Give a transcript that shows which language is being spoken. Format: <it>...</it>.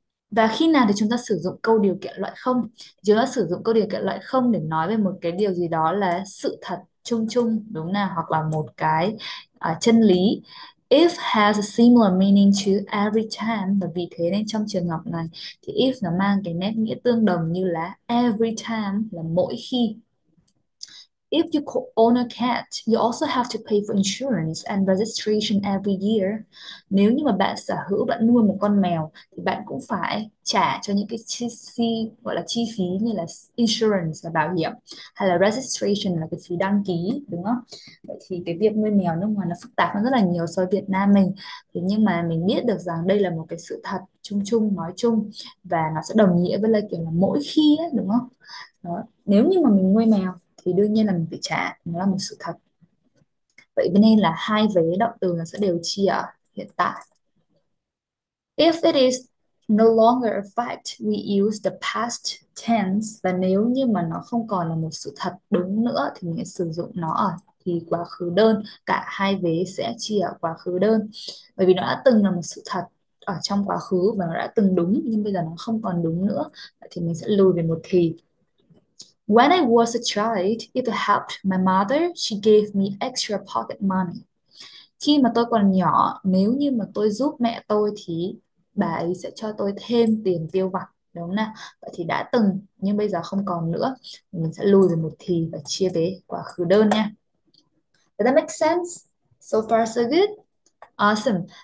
<vi>Và khi nào thì chúng ta sử dụng câu điều kiện loại không? Chúng ta sử dụng câu điều kiện loại không để nói về một cái điều gì đó là sự thật chung chung đúng không nào, hoặc là một cái chân lý.</vi> <en>If has a similar meaning to every time,</en> <vi>và vì thế nên trong trường hợp này thì if nó mang cái nét nghĩa tương đồng như là</vi> <en>every time,</en> <vi>là mỗi khi.</vi> <en>If you own a cat, you also have to pay for insurance and registration every year.</en> <vi>Nếu như mà bạn sở hữu, bạn nuôi một con mèo thì bạn cũng phải trả cho những cái chi gọi là chi phí như là insurance là bảo hiểm, hay là registration là cái phí đăng ký đúng không? Vậy thì cái việc nuôi mèo nước ngoài nó phức tạp hơn rất là nhiều so với Việt Nam mình. Thế nhưng mà mình biết được rằng đây là một cái sự thật chung chung nói chung, và nó sẽ đồng nghĩa với là kiểu là mỗi khi ấy, đúng không? Đó. Nếu như mà mình nuôi mèo thì đương nhiên là mình phải trả, nó là một sự thật. Vậy nên là hai vế động từ nó sẽ đều chia ở hiện tại.</vi> <en>If it is no longer a fact, we use the past tense.</en> <vi>Và nếu như mà nó không còn là một sự thật đúng nữa thì mình sẽ sử dụng nó ở thì quá khứ đơn, cả hai vế sẽ chia ở quá khứ đơn. Bởi vì nó đã từng là một sự thật ở trong quá khứ và nó đã từng đúng nhưng bây giờ nó không còn đúng nữa, thì mình sẽ lùi về một thì.</vi> <en>When I was a child, it helped my mother. She gave me extra pocket money.</en> <vi>Khi mà tôi còn nhỏ, nếu như mà tôi giúp mẹ tôi thì bà ấy sẽ cho tôi thêm tiền tiêu vặt, đúng không nào? Vậy thì đã từng nhưng bây giờ không còn nữa. Mình sẽ lùi về một thì và chia về quá khứ đơn nha.</vi> <en>Does that make sense? So far so good. Awesome.</en>